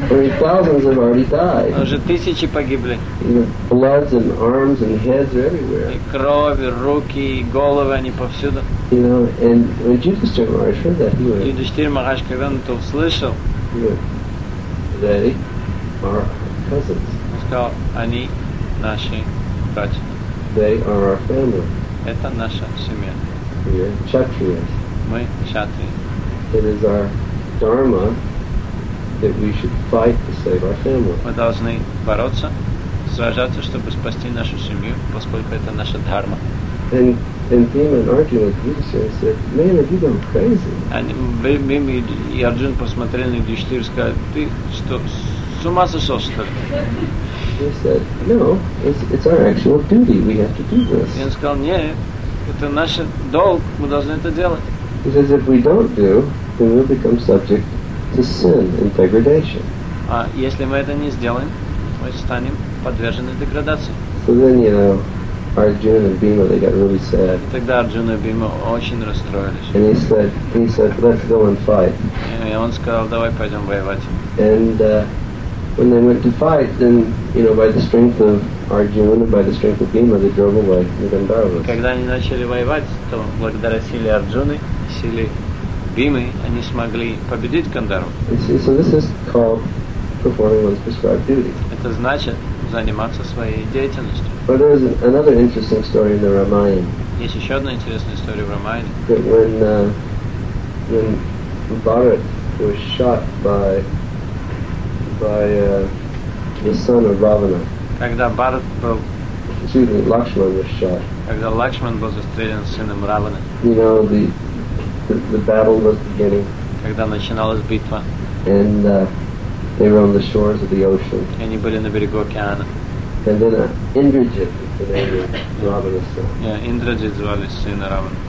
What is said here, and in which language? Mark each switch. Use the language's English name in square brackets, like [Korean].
[English] Or thousands have already died. [Russian] Уже тысячи погибли. [English] Bloods and arms and heads are everywhere. [Russian] И кровь, и руки, и головы, они повсюду. [English] You know, and when Yudhishthira Maharaj heard that, he went, [Russian] Yudhishthira Maharaj, когда он это услышал, [English] they are our cousins. [Russian] Он сказал, они наши братья. [English] They are our family. [Russian] Это наша семья. [English] We are Kshatriyas. [Russian] Мы Кшатрии. [English] It is our dharma that we should fight to save our family. [Russian] Мы должны бороться, сражаться, чтобы спасти нашу семью, поскольку это наша дхарма. [English] And Bhima and Arjuna with Yudhishthira said, man, have you gone crazy? And [Russian] Bhima и Арджуна посмотрели на Юдиштхиру и сказали, ты что, с ума сошел, что ли? [English] They said, no, it's our actual duty, we have to do this. [Russian] И он сказал, нет, это наш долг, мы должны это делать. [English] He says, if we don't do, then we'll become subject to sin and degradation. [Russian] А если мы это не сделаем, мы станем подвержены деградации. [English] So then, you know, Arjuna and Bhima, they got really sad. [Russian] Тогда Арджуна и Бима очень расстроились. [English] And he said, let's go and fight. [Russian] И он сказал, давай пойдем воевать. [English] And when they went to fight, then, you know, by the strength of Arjuna, by the strength of Bhima, they drove away the Gandharvas. [Russian] Когда они начали воевать, то благодаря силе Арджуны, силе Бимы, они смогли победить Гандхарву. [English] So this is called performing one's prescribed duty. [Russian] Это значит заниматься своей деятельностью. [English] But there is another interesting story in the Ramayana. [Russian] Есть еще одна интересная история в Рамаяне. [English] That when Bharat was shot by the son of Ravana. [Russian] Когда Bharat был, [English] excuse me, Lakshman was shot. [Russian] Когда Лакшман был застрелен сыном Равана. [English] You know, the battle was beginning. [Russian] Когда начиналась битва. [English] And they were on the shores of the ocean. [Russian] И они были на берегу океана. [English] And then Indrajit, [Russian] yeah, Indrajit звали сына Равана.